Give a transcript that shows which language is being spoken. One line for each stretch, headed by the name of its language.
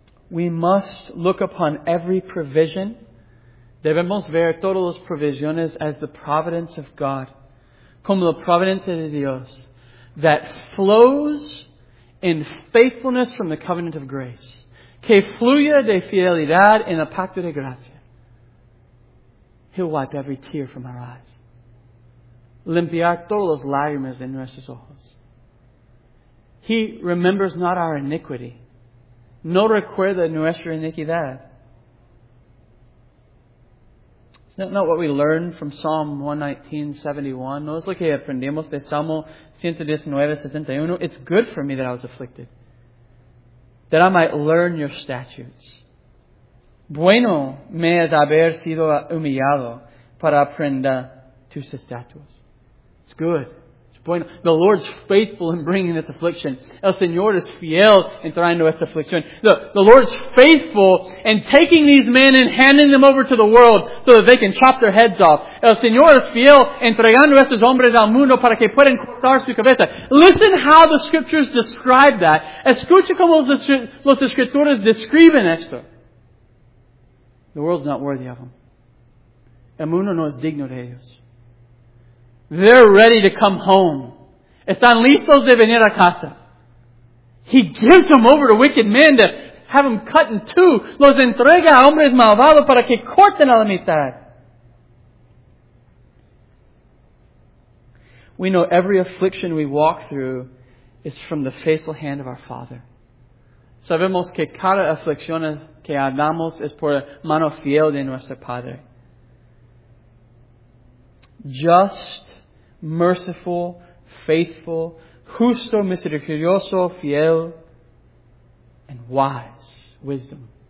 English: We must look upon every provision.
Spanish: Debemos ver todas las provisiones
English: as the providence of God.
Spanish: Como la providencia de Dios.
English: That flows in faithfulness from the covenant of grace.
Spanish: Que fluya de fidelidad en el pacto de gracia.
English: He'll wipe every tear from our eyes.
Spanish: Limpiar todas las lágrimas de nuestros ojos.
English: He remembers not our iniquity.
Spanish: No recuerda nuestra iniquidad.
English: Isn't that what we learned from Psalm 119:71?
Spanish: No, es lo que aprendimos de Salmo 119:71.
English: It's good for me that I was afflicted, that I might learn your statutes.
Spanish: Bueno me es haber sido humillado para aprender tus estatutos.
English: It's good.
Spanish: It's bueno.
English: The Lord's faithful in bringing this affliction.
Spanish: El Señor es fiel en trayendo esta aflicción.
English: The Lord's faithful in taking these men and handing them over to the world so that they can chop their heads off.
Spanish: El Señor es fiel entregando estos hombres al mundo para que puedan cortar su cabeza.
English: Listen how the Scriptures describe that.
Spanish: Escucha como los Escrituras describen esto.
English: The world's not worthy of them.
Spanish: El mundo no es digno de ellos.
English: They're ready to come home.
Spanish: Están listos de venir a casa.
English: He gives them over to wicked men to have them cut in two.
Spanish: Los entrega a hombres malvados para que corten a la mitad.
English: We know every affliction we walk through is from the faithful hand of our Father.
Spanish: Sabemos que cada aflicción que andamos es por mano fiel de nuestro Padre.
English: Just, merciful, faithful,
Spanish: justo, misericordioso, fiel,
English: and wise, wisdom.